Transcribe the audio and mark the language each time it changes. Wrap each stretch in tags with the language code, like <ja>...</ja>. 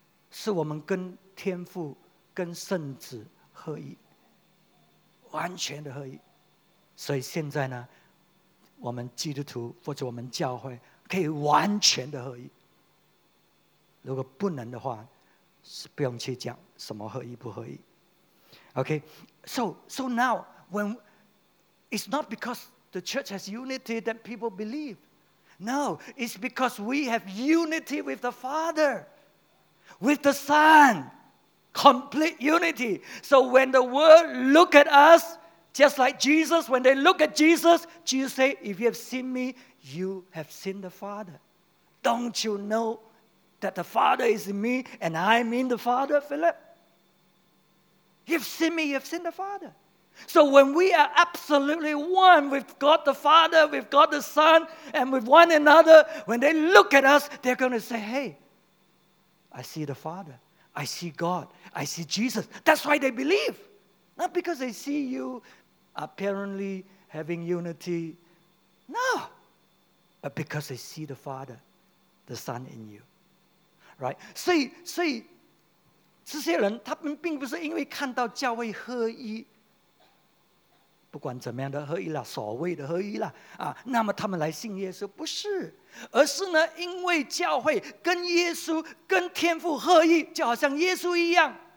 <zh>是我们跟天父, 跟圣子合一, 完全的合一, 所以现在呢, 我们基督徒, 或者我们教会, 可以完全的合一, 如果不能的话, 不用去讲什么合一不合一。</zh> <en>Okay, so now, when it's not because the church has unity that people believe. No, it's because we have unity with the Father, with the Son, complete unity. So when the world look at us, just like Jesus, when they look at Jesus, Jesus say, if you have seen me, you have seen the Father. Don't you know that the Father is in me, and I am in the Father, Philip. You've seen me, you've seen the Father. So when we are absolutely one with God the Father, with God the Son, and with one another, when they look at us, they're going to say, hey, I see the Father, I see God, I see Jesus. That's why they believe. Not because they see you apparently having unity. No. But because they see the Father, the Son in you.</en> <zh>Right, 所以这些人，他们并不是因为看到教会合一，不管怎么样的合一了，所谓的合一了啊，那么他们来信耶稣不是，而是呢，因为教会跟耶稣、跟天父合一，就好像耶稣一样。</zh>